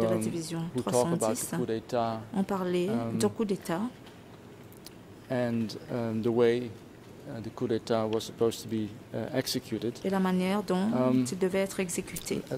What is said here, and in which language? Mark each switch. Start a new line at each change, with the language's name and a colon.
French: de la division 310 ont parlé de coup d'État
English: and the way the coup d'état was supposed to be executed.
French: Et la manière dont il devait être exécuté.